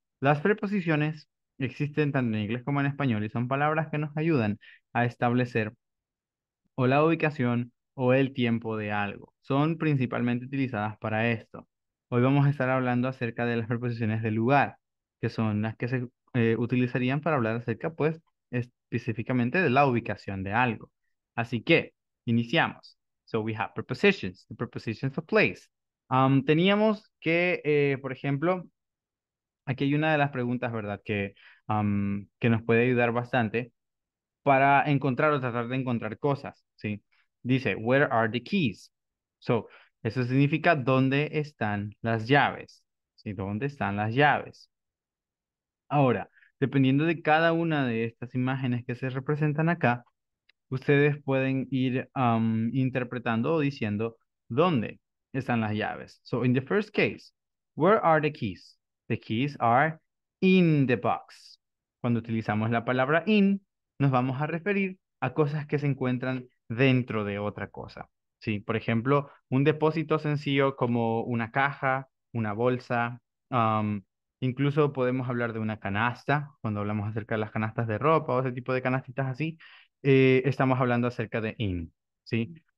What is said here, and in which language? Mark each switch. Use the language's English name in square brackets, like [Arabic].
[Spanish] Las preposiciones existen tanto en inglés como en español y son palabras que nos ayudan a establecer o la ubicación o el tiempo de algo. Son principalmente utilizadas para esto. Hoy vamos a estar hablando acerca de las preposiciones de lugar, que son las que se utilizarían para hablar acerca, pues, específicamente de la ubicación de algo. Así que, iniciamos. [English] So we have prepositions, the prepositions for place. [Spanish] Teníamos que, por ejemplo, aquí hay una de las preguntas, ¿verdad?, que nos puede ayudar bastante para encontrar o tratar de encontrar cosas, ¿sí? Dice, [English] where are the keys? [Spanish] So, eso significa, ¿dónde están las llaves? ¿Sí? ¿Dónde están las llaves? Ahora, dependiendo de cada una de estas imágenes que se representan acá, ustedes pueden ir interpretando o diciendo, ¿dónde están las llaves? [English] So, in the first case, where are the keys? The keys are in the box. [Spanish] Cuando utilizamos la palabra in, nos vamos a referir a cosas que se encuentran dentro de otra cosa. ¿Sí? Por ejemplo, un depósito sencillo como una caja, una bolsa. Incluso podemos hablar de una canasta. Cuando hablamos acerca de las canastas de ropa o ese tipo de canastitas así, estamos hablando acerca de in. ¿Sí?